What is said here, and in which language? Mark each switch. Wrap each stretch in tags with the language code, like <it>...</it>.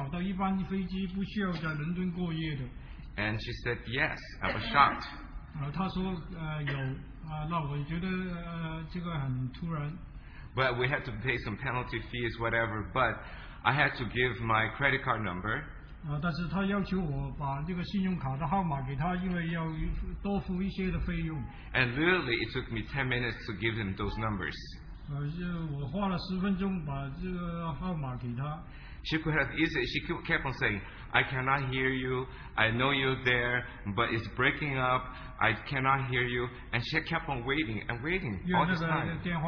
<zh>所以结果我联系到，我就问，能不能就是找到一班飞机不需要在伦敦过夜的。</zh> <en>And she said yes. I was shocked.</en> <zh>他说有，那我觉得这个很突然。</zh> <en>But we had to pay some penalty fees, whatever, but I had to give my credit card number.</en> <zh>但是他要求我把这个信用卡的号码给他，因为要多付一些的费用。</zh> <en>And literally, it took me 10 minutes to give him those numbers.</en> <zh>我花了10分钟把这个号码给他。</zh> <en>She could have easily, she kept on saying, I cannot hear you, I know you're there, but it's breaking up, I cannot hear you, and she kept on waiting and waiting all this time.</en>